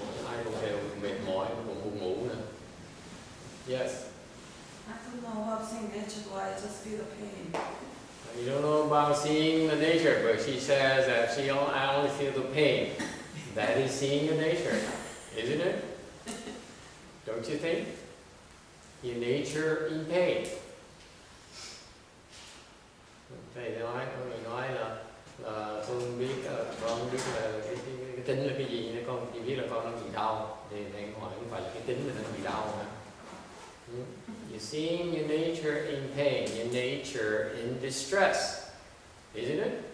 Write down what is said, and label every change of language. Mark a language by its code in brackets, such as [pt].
[vi] Ai cũng đều mệt mỏi, cũng buồn ngủ nè. Yes. [en] I don't know about seeing nature, but I just feel the pain. You don't know about seeing the nature, but she says that she only, I only feel the pain. That is seeing your nature, isn't it? Don't you think? Your nature in pain. [vi] Thầy nói, con người nói là không biết con biết là cái tính là cái gì, nên con chỉ biết là con đang bị đau. Thì thầy hỏi không phải là cái tính là đang bị đau nữa. [en] You seeing your nature in pain, your nature in distress, isn't it?